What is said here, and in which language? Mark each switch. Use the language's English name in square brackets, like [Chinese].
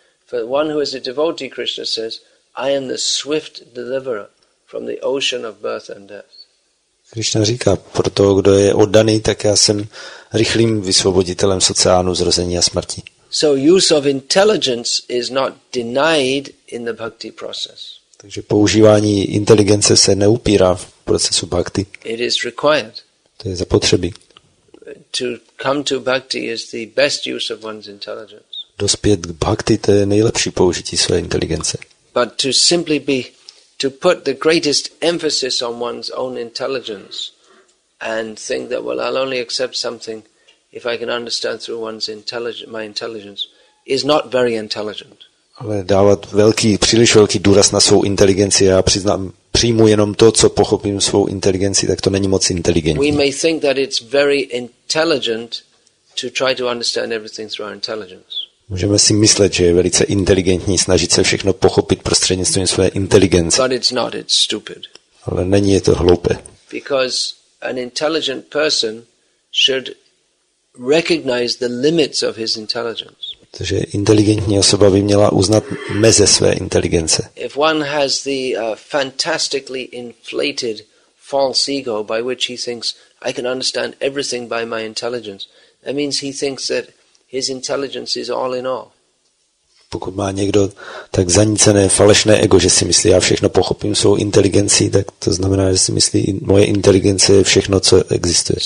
[English] For one who is a devotee, Krishna says, I am the swift deliverer from the ocean of birth and death. [Czech] Krishna říká, pro toho, kdo je oddaný, tak já jsem rychlým vysvoboditelem z oceánu zrození a smrti. [English] So use of intelligence is not denied in the bhakti process. [Czech] Takže používání inteligence se neupírá v procesu bhakti. [English] It is required. [Czech] To je zapotřebí. [English] To come to bhakti is the best use of one's intelligence. [Czech] Dospět k bhakti, to je nejlepší použití své inteligence. [English] But to simply be to put the greatest emphasis on one's own intelligence and think that, well, I'll only accept something if I can understand through one's intelligence, my intelligence, is not very intelligent. [Czech] Ale dávat velký, příliš velký důraz na svou inteligenci, já přiznám, přijmu jenom to, co pochopím svou inteligenci, tak to není moc inteligentní. [English] We may think that it's very intelligent to try to understand everything through our intelligence. [Czech] Můžeme si myslet, že je velice inteligentní snažit se všechno pochopit prostřednictvím své inteligence. [English] But it's not, it's stupid. [Czech] Ale není je to hloupé. [English] Because an intelligent person should recognize the limits of his intelligence. [Czech] Protože inteligentní osoba by měla uznat meze své inteligence. [English] If one has the fantastically inflated false ego by which he thinks I can understand everything by my intelligence, that means he thinks that his intelligence is all in all. [Czech] Pokud má někdo tak zanícené falešné ego, že si myslí, já všechno pochopím svou inteligencí, tak to znamená, že si myslí, moje inteligence je všechno, co existuje.